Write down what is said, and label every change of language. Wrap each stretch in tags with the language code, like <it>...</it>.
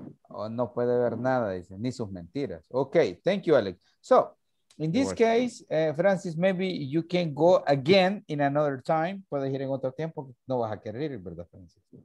<es>Oh, no puede ver nada, dice, ni sus mentiras.</es> <en>Okay, thank you, Alex. So, in this case, Francis, maybe you can go again in another time.</en> <es>Puedes ir en otro tiempo, no vas a querer ir, ¿verdad, Francis?</es>